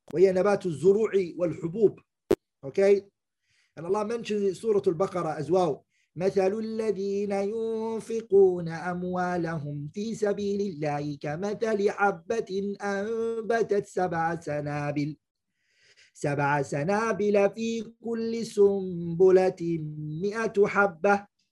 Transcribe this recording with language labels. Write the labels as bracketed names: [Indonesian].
[Arabic] وهي نبات الزروع والحبوب. Okay. [English] And Allah mentions it in Surah Al-Baqarah as well. [Arabic] مثل الذين ينفقون أموالهم في سبيل الله كمثل حبة أنبتت سبع سنابل. سبع سنابل في كل سنبلة مئة حبة.